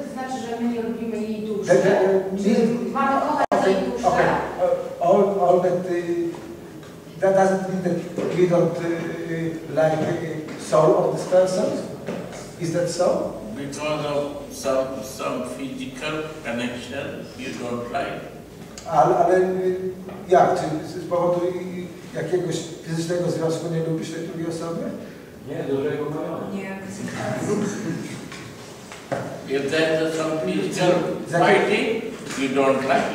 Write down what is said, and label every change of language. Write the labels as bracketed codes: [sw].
[pl] To wtedy to znaczy, że my nie lubimy jej duszy. Mamy kochać jej duszę. Okay. [en] That doesn't mean that we don't like the soul of this person. Is that so? Because of some physical connection you don't like. [pl] Ale jak? Czy z powodu jakiegoś fizycznego związku nie lubisz tej drugiej osoby? Nie, dużego mamy. Nie. [en] If there is some physical fighting, you don't like.